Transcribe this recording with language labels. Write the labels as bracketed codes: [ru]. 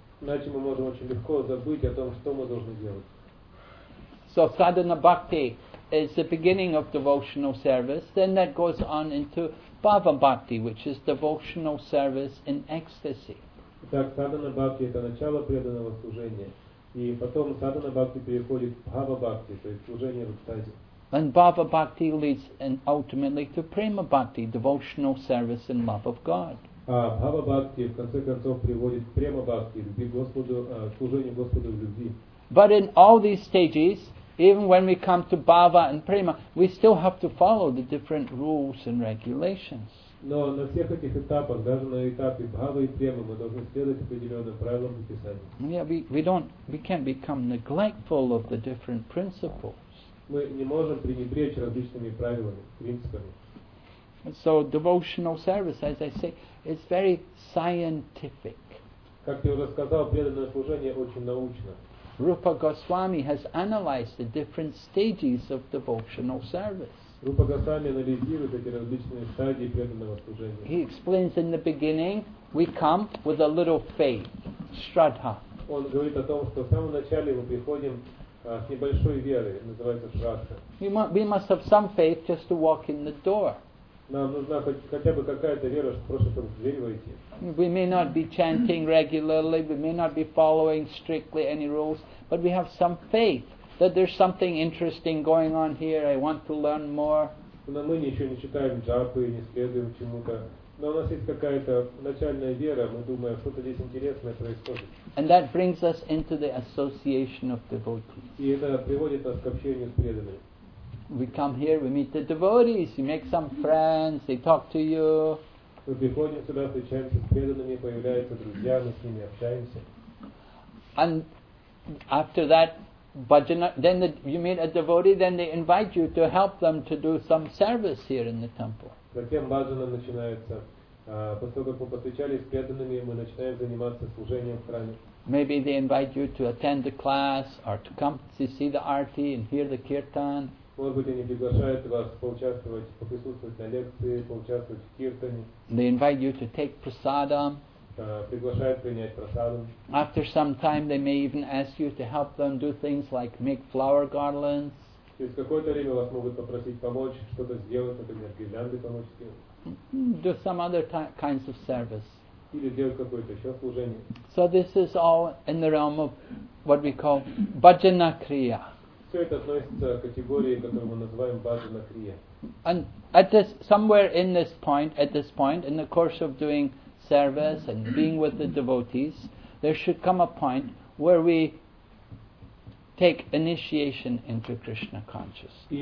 [ru] Иначе мы можем очень легко забыть о том, что мы должны делать. [en] So sadhana bhakti is the beginning of devotional service, then that goes on into bhava bhakti, which is devotional service in ecstasy. [ru] Итак, sadhana bhakti — это начало преданного служения, и потом sadhana bhakti переходит в bhava bhakti, то есть служение в экстазе. [en] And bhava bhakti leads and ultimately to prema bhakti, devotional service in love of God. [ru] А bhava bhakti в конце концов приводит к prema bhakti, любви Господу, служению Господу в любви. [en] But in all these stages, even when we come to bhava and prema, we still have to follow the different rules and regulations. [ru] Но на всех этих этапах, даже на этапе бхавы и премы, мы должны следовать определенным правилам и писаниям. [en] Yeah, we can't become neglectful of the different principles. [ru] Мы не можем пренебречь различными правилами, принципами. [en] So devotional service, as I say, is very scientific. [ru] Как я уже сказал, преданное служение очень научно. [en] Rupa Goswami has analyzed the different stages of devotional service. Rupa Goswami analyzed these [ru] различные стадии преданного служения. [en] He explains in the beginning, we come with a little faith, shraddha. [ru] Он говорит о том, что в самом начале мы приходим с небольшой верой, называется шрадха. [en] We must have some faith just to walk in the door. [ru] Нам нужна хотя бы какая-то вера, чтобы просто в дверь войти. [en] We may not be chanting regularly, we may not be following strictly any rules, but we have some faith that there's something interesting going on here, I want to learn more. [ru] Но мы ничего не читаем джапы и не следуем чему-то. Но у нас есть какая-то начальная вера, мы думаем, что-то здесь интересное происходит. [en] And that brings us into the association of devotees. [ru] И это приводит нас к общению с преданными. [en] We come here, we meet the devotees, you make some friends, they talk to you. [ru] Мы приходим сюда, встречаемся с преданными, появляются друзья, мы с ними общаемся. [en] And after that, you meet a devotee, then they invite you to help them to do some service here in the temple. [ru] Затем баджана начинается. После того, как мы повстречались с преданными, мы начинаем заниматься служением в храме. [en] Maybe they invite you to attend the class or to come to see the arti and hear the kirtan. [ru] Может быть, они приглашают вас поучаствовать, поприсутствовать на лекции, поучаствовать в киртане. [en] They invite you to take prasadam. [ru] Приглашают принять prasadam. [en] After some time, they may even ask you to help them do things like make flower garlands. [ru] Через какое-то время вас могут попросить помочь что-то сделать, например, гирлянды помочь сделать. [en] Do some other kinds of service. [ru] Или делать какое-то еще служение. [en] So this is all in the realm of what we call bhajana kriya. [ru] Все это относится к категории, которую мы называем bhajana kriya. [en] And at this, somewhere in this point, at this point, in the course of doing service and being with the devotees, there should come a point where we take initiation into Krishna consciousness.